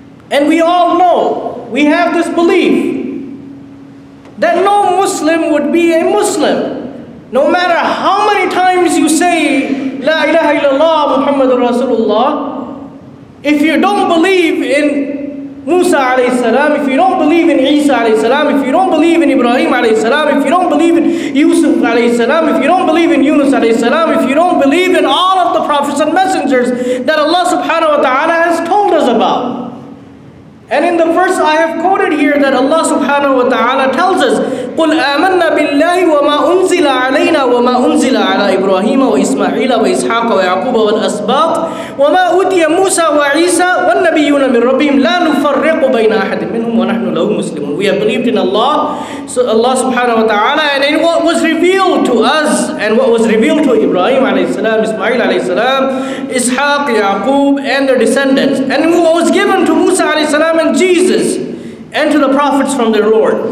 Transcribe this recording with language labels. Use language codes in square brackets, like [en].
[en] And we all know, we have this belief that no Muslim would be a Muslim, no matter how many times you say, [ar] La ilaha illallah Muhammadur Rasulullah, [en] if you don't believe in Musa alayhi salam, if you don't believe in Isa alayhi salam, if you don't believe in Ibrahim alayhi salam, if you don't believe in Yusuf alayhi salam, if you don't believe in Yunus alayhi salam, if you don't believe in all of the prophets and messengers that Allah subhanahu wa ta'ala has told us about. [ar] And in the verse I have quoted here, that Allah subhanahu wa ta'ala tells us, قُلْ آمَنَّا بِاللَّهِ وَمَا أُنزِلَ عَلَيْنَا وَمَا أُنزِلَ عَلَىٰ إِبْرَاهِيمَ وَإِسْمَعِيلَ وَإِسْحَاقَ وَيَعْقُوبَ وَالْأَسْبَاطِ وَمَا أُوتِيَ مُوسَى وَعِيسَى وَالنَّبِيُّونَ مِنْ رَبِّهِمْ لَا نُفَرِّقُ بَيْنَ أَحَدٍ مِّنْهُمْ وَنَحْنُ لَهُ مُسْلِمُونَ. [en] We have believed in Allah, so Allah subhanahu wa ta'ala, and in what was revealed to us, and what was revealed to Ibrahim alayhi salam, Ismail alayhi salam, Ishaq, Yaqub, and their descendants, and what was given to Musa alayhi salam and Jesus, and to the prophets from their Lord.